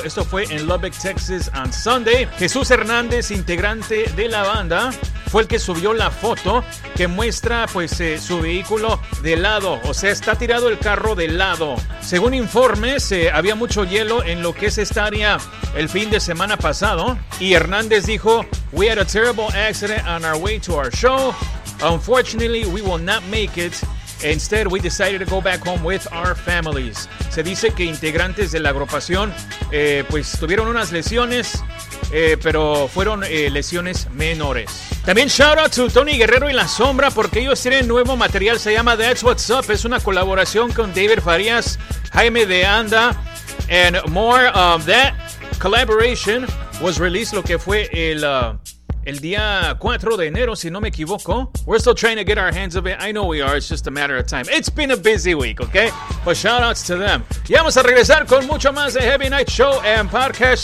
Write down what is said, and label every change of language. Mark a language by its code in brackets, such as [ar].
[es] Esto fue en Lubbock, Texas [en] on Sunday. [es] Jesús Hernández, integrante de la banda, fue el que subió la foto que muestra pues su vehículo de lado, o sea, está tirado el carro de lado. Según informes, había mucho hielo en lo que es esta área el fin de semana pasado, y Hernández dijo, [en] "We had a terrible accident on our way to our show. Unfortunately, we will not make it. Instead, we decided to go back home with our families." [es] Se dice que integrantes de la agrupación pues tuvieron unas lesiones, pero fueron lesiones menores. También [en] shout out to [es] Tony Guerrero y La Sombra, porque ellos tienen nuevo material. Se llama That's What's Up. Es una colaboración con David Farías, Jaime de Anda, [en] and more. That collaboration was released, [es] lo que fue el día 4 de enero, si no me equivoco. [en] We're still trying to get our hands of it. I know we are. It's just a matter of time. It's been a busy week, okay? But shout outs to them. [es] Y vamos a regresar con mucho más de Heavy Night Show and Podcast.